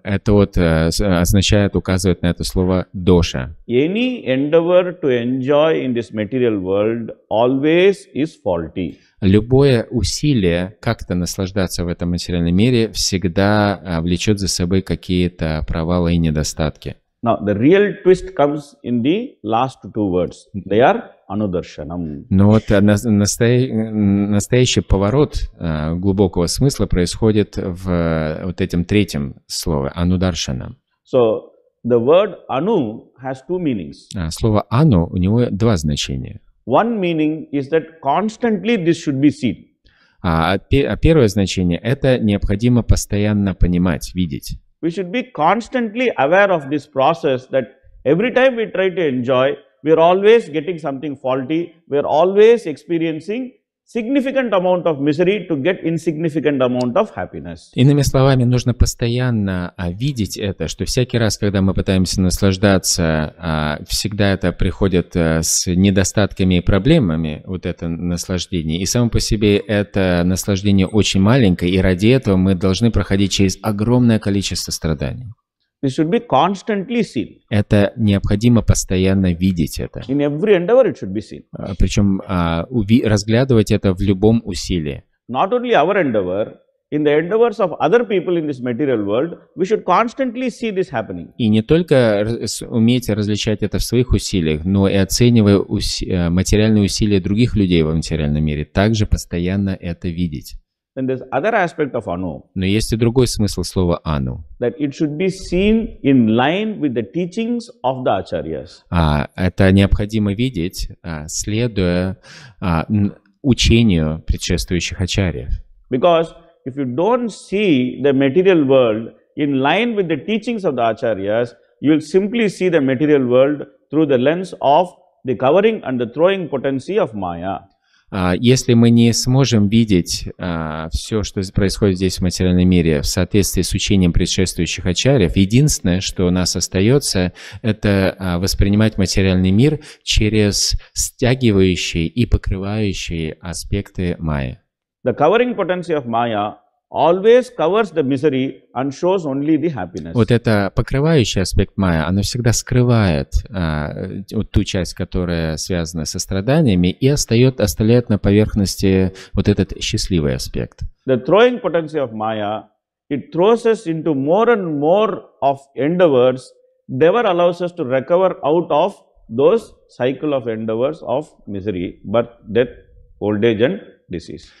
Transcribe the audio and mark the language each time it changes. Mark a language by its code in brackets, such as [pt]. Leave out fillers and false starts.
[ru] Это вот означает, указывает на это слово «доша». [en] Any endeavor to enjoy in this material world always is faulty. [ru] Любое усилие как-то наслаждаться в этом материальном мире всегда влечет за собой какие-то провалы и недостатки. [en] Now, the real twist comes in the last two words. They are anudarshanam. [ru] Но вот настоящий поворот глубокого смысла происходит в вот этом третьем слове, anudarshanam. [en] So, the word anu has two meanings. [ru] Слово anu, у него два значения. [en] One meaning is that constantly this should be seen. [ru] Первое значение – это необходимо постоянно понимать, видеть. [en] We should be constantly aware of this process that every time we try to enjoy, we are always getting something faulty, we are always experiencing significant amount of misery to get insignificant amount of happiness. [ru] Иными словами, нужно постоянно видеть это, что всякий раз, когда мы пытаемся наслаждаться, всегда это приходит с недостатками и проблемами, вот это наслаждение. И само по себе это наслаждение очень маленькое, и ради этого мы должны проходить через огромное количество страданий. [en] This should be constantly seen. [ru] Это необходимо постоянно видеть это. [en] In every endeavor it should be seen. [ru] Причем разглядывать это в любом усилии. [en] Not only our endeavor, in the endeavors of other people in this material world, we should constantly see this happening. [ru] И не только уметь различать это в своих усилиях, но и оценивая материальные усилия других людей в материальном мире, также постоянно это видеть. [en] Then there's other aspect of anu. [ru] Но есть и другой смысл слова anu. [en] That it should be seen in line with the teachings of the acharyas. [ru] Это необходимо видеть, следуя учению предшествующих ачарьев. [en] Because if you don't see the material world in line with the teachings of the acharyas, you'll simply see the material world through the lens of the covering and the throwing potency of maya. [ru] Если мы не сможем видеть все, что происходит здесь в материальном мире в соответствии с учением предшествующих ачарьев, единственное, что у нас остается, это воспринимать материальный мир через стягивающие и покрывающие аспекты майя. [en] The covering potency of maya always covers the misery and shows only the happiness. [ru] Вот это покрывающий аспект майя, оно всегда скрывает вот ту часть, которая связана со страданиями, и оставляет на поверхности вот этот счастливый аспект. [en] The throwing potency of maya, it throws us into more and more of endeavors, never allows us to recover out of those cycle of endeavors of misery, birth, death, old age and disease.